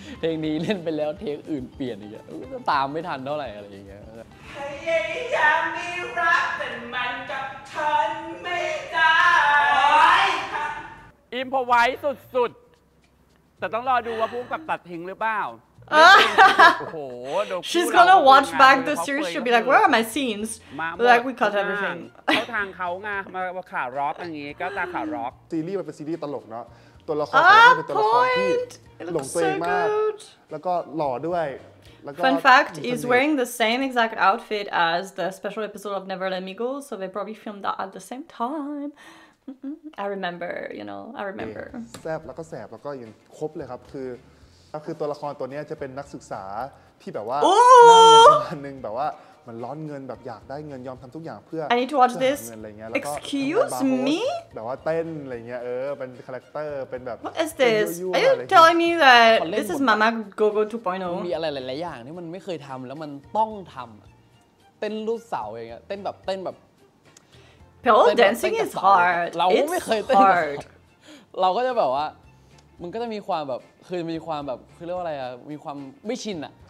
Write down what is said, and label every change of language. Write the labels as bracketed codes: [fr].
[th] เพลงนี้เล่นไปแล้วเทคอื่นเปลี่ยนอีกอ่ะตามไม่ทันเท่าไหร่อะไรอย่างเงี้ย ยังอยากมีรักแต่มันกับฉันไม่ได้ อิมพอไว้สุดๆแต่ต้องรอดูว่าพวกกับตัดทิ้งหรือเปล่าโอ้โหดู [en] She's gonna watch back the series she'll be like where are my scenes like we cut everything [th] เขาทางเขางามาขาร็อกอย่างงี้ก็ตาขาร็อก ซีรีส์มันเป็นซีรีส์ตลกเนาะตัวละครเขาเป็นตัวละครที่หลงตัวเองมากแล้วก็หล่อด้วย [en] Fun fact, he's wearing the same exact outfit as the special episode of Never Let Me Go, so they probably filmed that at the same time. I remember, you know, I remember. [th] แซ่บแล้วก็แซ่บแล้วก็ยังครบเลยครับคือตัวละครตัวนี้จะเป็นนักศึกษาที่แบบว่า ประ มาณนึงแบบว่ามันร้อนเงินแบบอยากได้เงินยอมทำทุกอย่างเพื่ อ [en] I need to watch this. Excuse me? [th] แบบว่าเต้นอะไรเงี้ยเป็นคาแรคเตอร์เป็นแบบ [en] What is this? Are you telling me that this is Mama Gogo 2.0? [th] มีอะไรหลายๆอย่างที่มันไม่เคยทำแล้วมันต้องทำเต้นลูกเสาอย่างเงี้ยเต้นแบบ [en] Pole dancing is hard. [th] เราไม่เคยเต้นแบบเราก็จะแบบว่ามันก็จะมีความแบบคือมีความแบบคือเรียกว่าอะไรอ่ะมีความไม่ชินอ่ะ